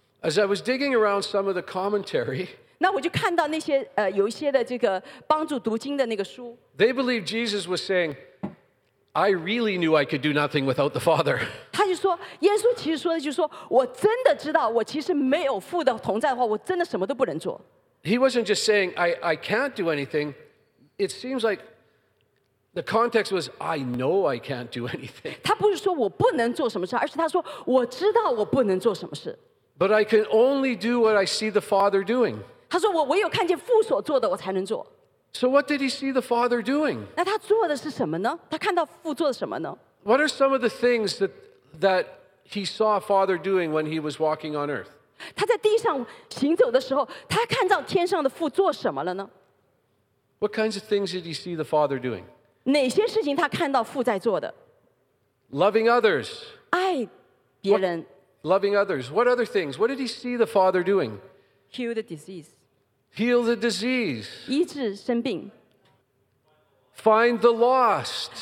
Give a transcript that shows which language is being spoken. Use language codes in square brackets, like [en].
[en] As I was digging around some of the commentary, [zh] 那我就看到那些有一些的这个帮助读经的那个书。 [en] They believe Jesus was saying, "I really knew I could do nothing without the Father." [zh] 他就说，耶稣其实说的就是说，我真的知道，我其实没有父的同在的话，我真的什么都不能做。 [en] He wasn't just saying, "I can't do anything." It seems like the context was, "I know I can't do anything." [zh] 他不是说我不能做什么事，而是他说我知道我不能做什么事。 [en] But I can only do what I see the Father doing. [zh] 他说我唯有看见父所做的，我才能做。 [en] So what did he see the Father doing? [zh] 那他做的是什么呢？他看到父做什么呢？ [en] What are some of the things that he saw Father doing when he was walking on earth? [zh] 他在地上行走的时候，他看到天上的父做什么了呢？ [en] What kinds of things did he see the Father doing? [zh] 哪些事情他看到父在做的？ [en] Loving others. [zh] 爱别人。 [en] Loving others. What other things? What did he see the Father doing? Heal the disease. Heal the disease. [zh] 医治生病。 [en] Find the lost.